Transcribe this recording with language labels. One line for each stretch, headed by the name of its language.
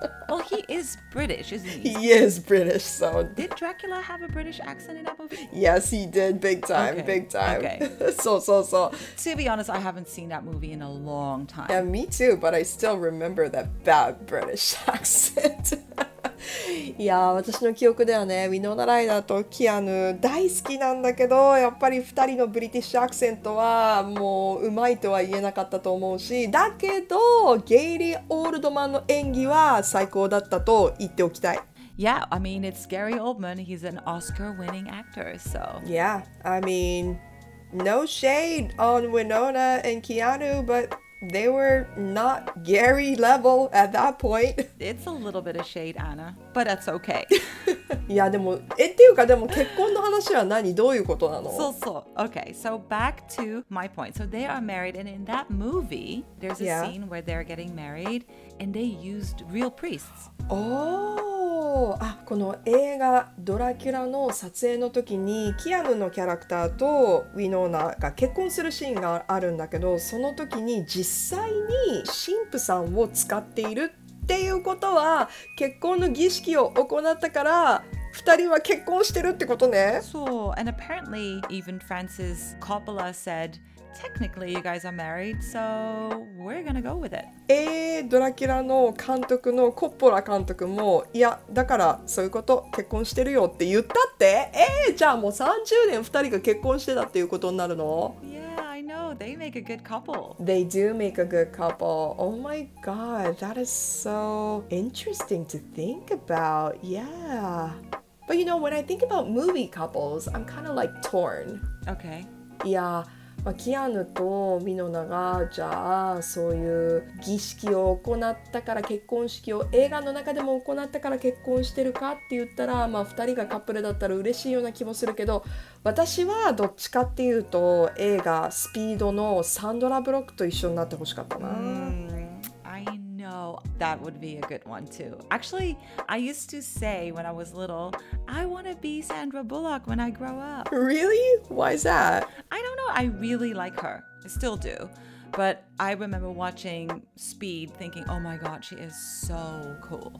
English: Well, he is British, isn't he? He is British, so... Did Dracula have a British accent in that movie? Yes, he did, big time, okay. Big time. Okay. So. To be honest, I haven't seen that movie in a long time. Yeah, me too, but I still remember that bad British accent.
Japanese: いや、私の記憶ではね、ウィノナライダーとキアヌ大好きなんだけど、やっぱり2人のブリティッシュアクセントはもううまいとは言えなかったと思うし、だけどゲイリー・オールドマンの演技は最高だったと言っておきたい。
English: Yeah, I mean, it's Gary Oldman. He's an Oscar-winning actor, so... Yeah, I mean, no shade on Winona and Keanu, but... They were not Gary level at that point. It's a little bit of shade, Anna, but that's okay. Yeah,
Japanese: でも、え、っていうか、でも結婚の話は何？どういうことなの？そうそう。
English: Okay, so back to my point. So they are married, and in that movie, there's a scene where they're getting married, and they used real priests.
Japanese: Oh, あ、この映画ドラキュラの撮影の時にキアヌのキャラクターとウィノーナが結婚するシーンがあるんだけど、その時に実際に神父さんを使っているっていうことは結婚の儀式を行ったから二人は結婚してるってことね。そう、
English: and apparently even Francis Coppola said technically you guys are married, so we're gonna go with it.
Japanese: ドラキュラの監督のコッポラ監督も、いや、だからそういうこと、結婚してるよって言ったって？じゃあもう30年二人が結婚してたっていうことになるの？
English: No, they make a good couple. They do make a good couple. Oh my god, that is so interesting to think about. Yeah. But you know, when I think about movie couples, I'm kind of like torn. Okay. Yeah.
Japanese: まあ、キアヌとミノナがじゃあそういう儀式を行ったから結婚式を映画の中でも行ったから結婚してるかって言ったら、まあ、2人がカップルだったら嬉しいような気もするけど、私はどっちかっていうと映画スピードのサンドラブロックと一緒になってほしかったな。
English: I know that would be a good one too. Actually, I used to say when I was little, I want to be Sandra Bullock when I grow up. Really? Why is that? I don't know. I really like her. I still do. But I remember watching Speed thinking, oh my god, she is so cool.